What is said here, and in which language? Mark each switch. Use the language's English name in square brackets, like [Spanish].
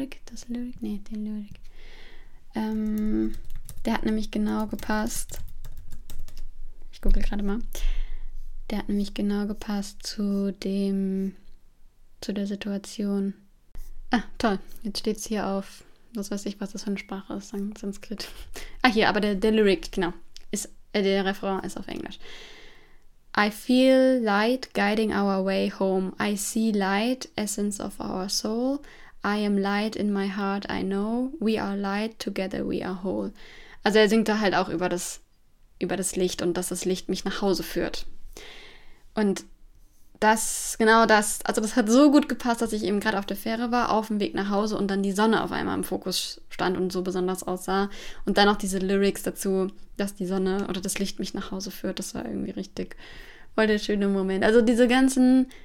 [German] Den Lyric. Der hat nämlich genau gepasst. Ich google gerade mal. Der hat nämlich genau gepasst zu der Situation. Ah, toll. Jetzt steht es hier auf. Was weiß ich, was das für eine Sprache ist. Sanskrit. Ah, hier, aber der Lyric, genau. Der Refrain ist auf Englisch. [English] I feel light guiding our way home. I see light, essence of our soul. I am light in my heart, I know. We are light, together we are whole. [German] Also er singt da halt auch über das Licht und dass das Licht mich nach Hause führt. Und das, genau das, also das hat so gut gepasst, dass ich eben gerade auf der Fähre war, auf dem Weg nach Hause und dann die Sonne auf einmal im Fokus stand und so besonders aussah. Und dann auch diese Lyrics dazu, dass die Sonne oder das Licht mich nach Hause führt, das war irgendwie richtig voll der schöne Moment. Also diese ganzen